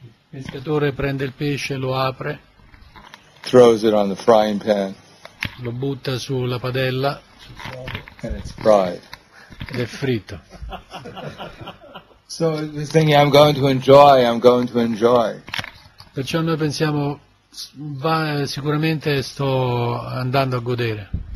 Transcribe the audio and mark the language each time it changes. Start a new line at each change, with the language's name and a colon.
Italian: Il pescatore prende il pesce, lo apre.
English: Throws it on the frying pan.
Italian: Lo butta sulla padella.
English: And it's fried.
Italian: Ed è fritto.
English: So he's thinking, I'm going to enjoy, I'm going to enjoy.
Italian: Perciò noi pensiamo, sicuramente sto andando a godere.